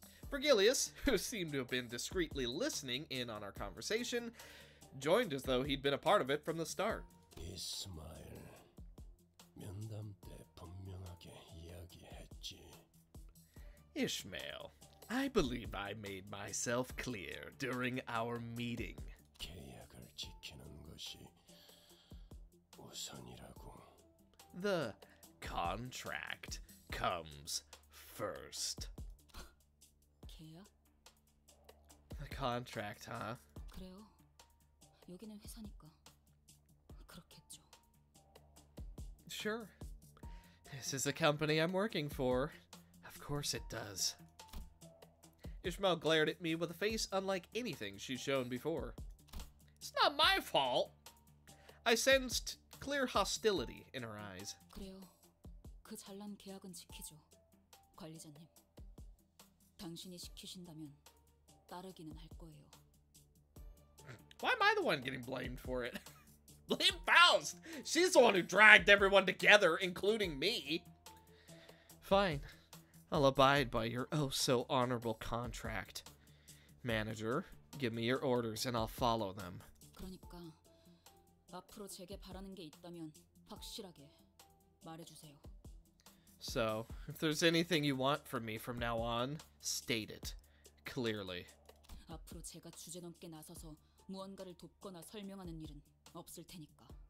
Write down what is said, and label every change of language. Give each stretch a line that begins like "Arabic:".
English: Virgilius, who seemed to have been discreetly listening in on our conversation, joined as though he'd been a part of it from the start.
Korean: Ismail, 면담 때 분명하게 이야기했지.
English: Ishmael, I believe I made myself clear during our meeting.
Korean: 계약을 지키는 것이 우선이라고.
English: The contract comes first.
Korean: 계약?
English: The contract, huh?
Korean: 그래요. 여기는 회사니까 그렇겠죠.
English: Sure. This is the company I'm working for. Of course it does. Ishmael glared at me with a face unlike anything she's shown before. It's not my fault. I sensed clear hostility in her eyes.
Korean: 그래요. 그 잘난 계약은 지키죠, 관리자님. 당신이 시키신다면 따르기는 할 거예요.
English: Why am I the one getting blamed for it? Blame Faust! She's the one who dragged everyone together, including me! Fine. I'll abide by your oh-so-honorable contract. Manager, give me your orders and I'll follow them.
Korean: 그러니까, 앞으로 제게 바라는 게 있다면 확실하게 말해주세요.
English: So, if there's anything you want from me from now on, state it. Clearly.
Korean: 앞으로 제가 주제넘게 나서서 무언가를 돕거나 설명하는 일은 없을 테니까.